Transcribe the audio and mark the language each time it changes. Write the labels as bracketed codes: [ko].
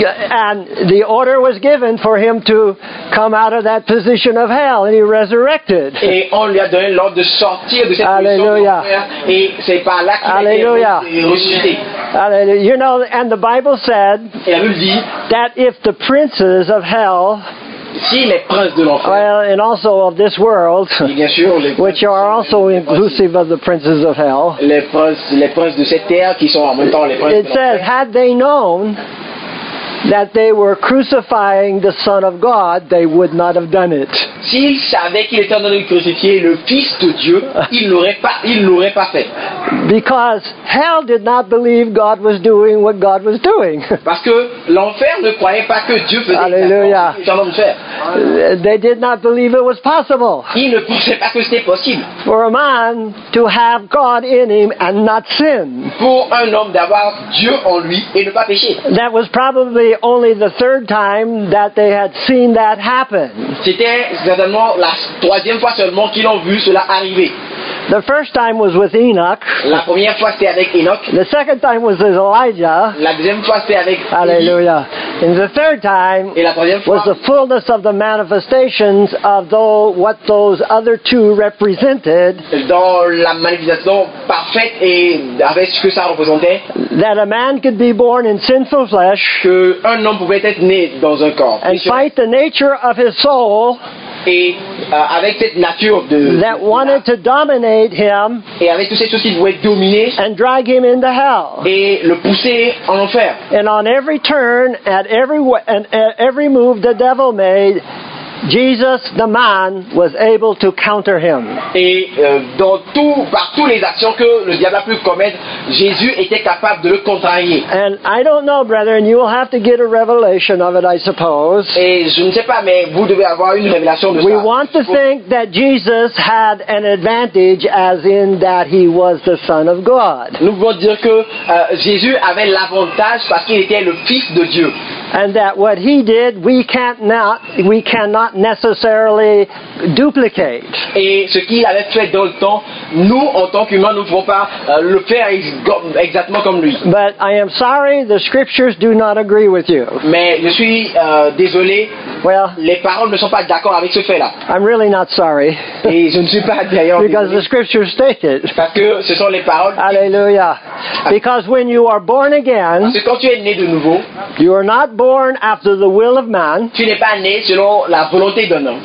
[en] And the order was given for him to come out of that position of hell, and he resurrected. [fr] Et on lui a donné l'ordre de sortir de cette Alleluia. Position de et c'est par là qu'il Alleluia. Est ressuscité. Alleluia. [en] You know, and the Bible said that if the princes of hell, [fr] si les princes de l'enfer, [en] well, and also of this world, [fr] bien sûr, [en] which are also inclusive of the princes of hell, [fr] les princes de cette terre qui sont en même temps les princes [en] it [fr] de [en] says, [fr] l'enfer, [en] had they known that they were crucifying the Son of God, they would not have done it. [fr] S'ils savaient qu'ils étaient en train de crucifier le Fils de Dieu, ils ne l'auraient pas fait. [en] Because hell did not believe God was doing what God was doing. [fr] Parce que l'enfer ne croyait pas que Dieu faisait. [en] Hallelujah. They did not believe it was possible. [fr] Ils ne pensaient pas que c'était possible. [en] For a man to have God in him and not sin. [fr] Pour un homme d'avoir Dieu en lui et ne pas pécher. [en] That was probably only the third time that they had seen that happen. [fr] C'était certainement la troisième fois seulement qu'ils ont vu cela arriver. [en] The first time was with Enoch. [fr] La première fois c'était avec Enoch. [en] The second time was with Elijah. [fr] La deuxième fois c'était avec [en] Hallelujah. And the third time [fr] et la troisième fois [en] was the fullness of the manifestations of though what those other two represented. [fr] Dans la manifestation parfaite et avec ce que ça représentait. [en] That a man could be born in sinful flesh. [fr] Que un homme pouvait être né dans un corps. [en] And fight the nature of his soul. [fr] Et avec cette nature de [en] that wanted to dominate him [fr] et avec toutes ces choses qui voulaient dominer [en] and drag him into hell [fr] et le pousser en enfer [en] and on every turn at every and at every move the devil made Jesus the man was able to counter him [fr] et dans tout par toutes les actions que le diable a pu commettre Jésus était capable de le contrarier [en] and I don't know brethren you will have to get a revelation of it I suppose [fr] et je ne sais pas mais vous devez avoir une révélation de [en] we [fr] ça [en] we want to think that Jesus had an advantage as in that he was the son of God [fr] nous voulons dire que Jésus avait l'avantage parce qu'il était le fils de Dieu [en] and that what he did we cannot necessarily duplicate. [fr] Et ce qu'il avait fait dans le temps, nous, en tant qu'humains, nous ne pouvons pas le faire exactement comme lui. [en] But I am sorry, the scriptures do not agree with you. [fr] Mais je suis désolé, [en] well, [fr] les paroles ne sont pas d'accord avec ce fait-là. [en] I'm really not sorry. [fr] Et je ne suis pas d'ailleurs [en] Because the scriptures state it. [fr] Parce que ce sont les paroles. [en] Hallelujah. Because when you are born again, [fr] parce que quand tu es né de nouveau, [en] you are not born after the will of man, [fr] tu n'es pas né selon la volonté d'un homme.